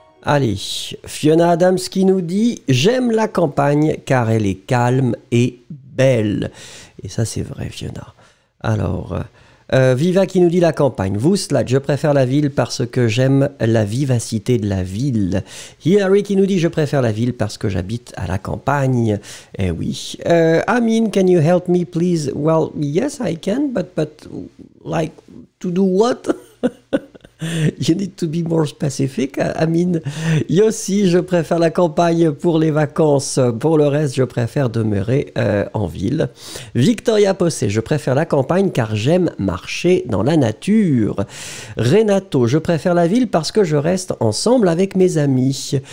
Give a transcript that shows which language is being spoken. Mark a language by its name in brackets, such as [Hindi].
[French] Allez, Fiona Adams qui nous dit « J'aime la campagne car elle est calme et belle ». Et ça, c'est vrai, Fiona. Alors, Viva qui nous dit « La campagne ». Vous, Slade, je préfère la ville parce que j'aime la vivacité de la ville. Hilary qui nous dit « Je préfère la ville parce que j'habite à la campagne ». [English] Eh oui. Amine, can you help me, please? Well, yes, I can, but like, to do what? You need to be more specific, Amine. [French] Yossi, je préfère la campagne pour les vacances. Pour le reste, je préfère demeurer en ville. Victoria Possé, je préfère la campagne car j'aime marcher dans la nature. Renato, je préfère la ville parce que je reste ensemble avec mes amis.